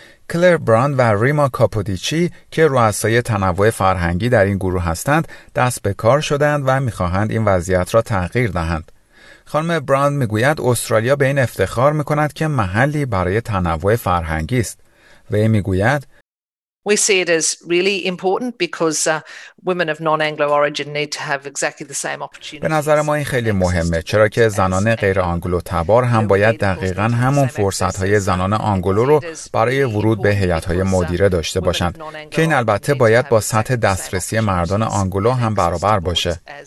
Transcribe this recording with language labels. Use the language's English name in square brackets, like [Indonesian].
[Persian] کلر براند و ریما کاپودیچی که رؤسای تنوع فرهنگی در این گروه هستند، دست به کار شدند و می‌خواهند این وضعیت را تغییر دهند. خانم براند می‌گوید استرالیا به این افتخار می‌کند که محلی برای تنوع فرهنگی است. وی می‌گوید: [English] We see it as really important because women of non-Anglo origin need to have exactly the same opportunities. [Persian] به نظر ما این خیلی مهمه، چرا که زنان غیر آنگلو تبار هم باید دقیقاً همون فرصت‌های زنان آنگلو رو برای ورود به هیئت‌های مدیره داشته باشند، که این البته باید با سطح دسترسی مردان آنگلو هم برابر باشه.